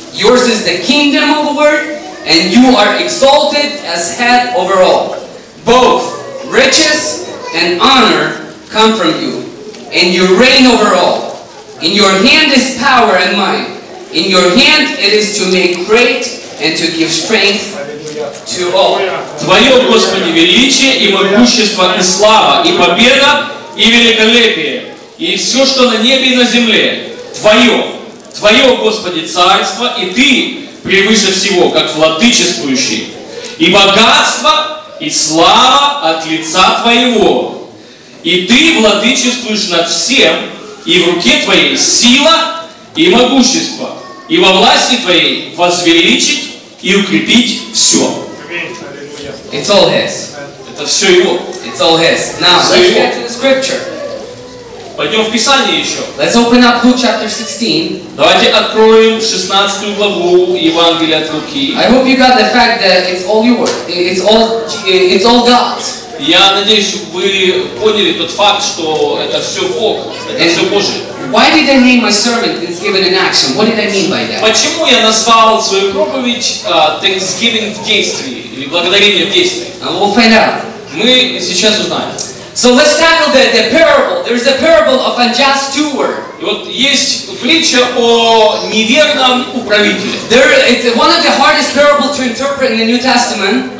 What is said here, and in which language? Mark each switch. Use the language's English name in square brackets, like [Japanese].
[English] Yours is the kingdom, O Lord, and you are exalted as head over all. Both riches and honor come from you, and you reign over all. In your hand is power and might. In your hand it is to make great and to give strength to all. [Russian] Твое, Господи, величие и могущество и слава и победа и великолепие и все, что на небе и на земле. Твое, Господи, царство и ты превыше всего, как владычествующий. И богатство и слава от лица твоего. И ты владычествуешь над всем, и в руке твоей сила и могущество, и во власти твоей возвеличить и укрепить все. [English] It's all his. [Russian] Это все его. [English] It's all his. Now, все let's его. Get to the scripture. [Russian] Пойдем в Писание еще. [English] Let's open up Luke chapter 16. [Russian] Давайте откроем 16 главу Евангелия от Луки. [English] I hope you got the fact that it's all yours. It's all God's. [Russian] Я надеюсь, вы поняли тот факт, что это все Бог, это [English] and [Russian] все Божие. [English] Why did I name my sermon Thanksgiving in action? What did I mean by that? [Russian] Почему я назвал свою проповедь Thanksgiving в действии или благодарение в действии? [English] And we'll find out. [Russian] Мы сейчас узнаем. [English] So let's tackle the parable. There's a parable of unjust steward. [Russian] И вот есть притча о неверном управителе. [English] There, it's one of the hardest parables to interpret in the New Testament.